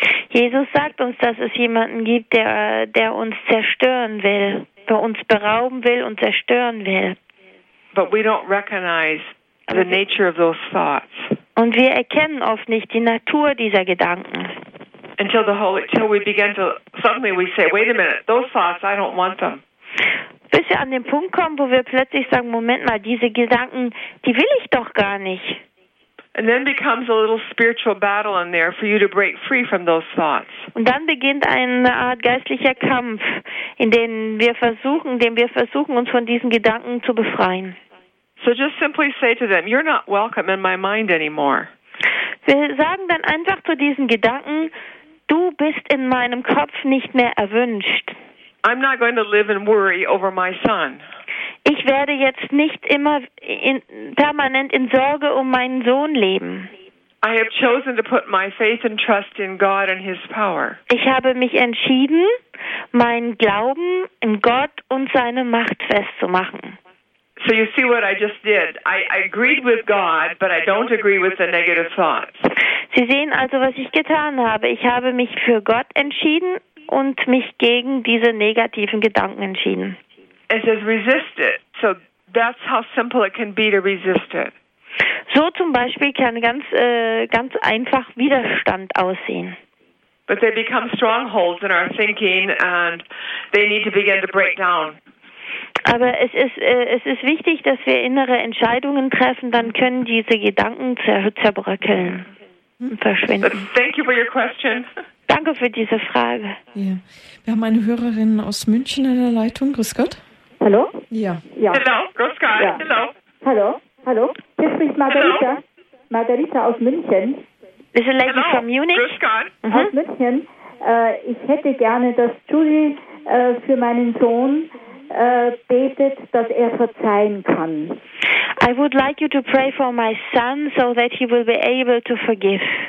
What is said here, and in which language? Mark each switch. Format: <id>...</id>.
<de>Jesus sagt uns, dass es jemanden gibt, der uns zerstören will, der uns berauben will und zerstören will.</de> <en>But we don't recognize the nature of those thoughts.</en> <de>Und wir erkennen oft nicht die Natur dieser Gedanken.</de> <en>Until we begin to suddenly we say, wait a minute, those thoughts, I don't want them.</en> <de>Bis wir an den Punkt kommen, wo wir plötzlich sagen, Moment mal, diese Gedanken, die will ich doch gar nicht.</de> <en>And then becomes a little spiritual battle in there for you to break free from those thoughts.</en> <de>Und dann beginnt eine Art geistlicher Kampf, in dem wir versuchen, uns von diesen Gedanken zu befreien.</de> <en>So just simply say to them, you're not welcome in my mind anymore.</en> <de>Wir sagen dann einfach zu diesen Gedanken, du bist in meinem Kopf nicht mehr erwünscht.</de> <en>I'm not going to live and worry over my son.</en> <de>Ich werde jetzt nicht immer permanent in Sorge um meinen Sohn leben.</de> <en>I have chosen to put my faith and trust in God and his power.</en> <de>Ich habe mich entschieden, meinen Glauben in Gott und seine Macht festzumachen.</de> <en>So you see what I just did. I agreed with God, but I don't agree with the negative thoughts.</en> <de>Sie sehen also, was ich getan habe. Ich habe mich für Gott entschieden und mich gegen diese negativen Gedanken entschieden.</de> <en>It says resist it. So that's how simple it can be to resist it.</en> <de>So zum Beispiel kann ganz einfach Widerstand aussehen.</de> <en>But they become strongholds in our thinking and they need to begin to break down.</en> <de>Aber es ist wichtig, dass wir innere Entscheidungen treffen, dann können diese Gedanken zerbröckeln, verschwinden.</de> <en>Thank you for your question.</en> <de>Danke für diese Frage. Ja. Wir haben eine Hörerin aus München in der Leitung. Grüß Gott. Hallo? Ja. Hallo, grüß Gott. Hallo. Hallo, hallo. Hier spricht Margarita. Hello. Margarita aus München.</de> <en>This is a lady from Munich.</en> <de>Grüß Gott. Aus München. Ich hätte gerne, dass Julie für meinen Sohn betet, dass er verzeihen kann.</de> <en>I would like you to pray for my son so that he will be able to forgive.</en>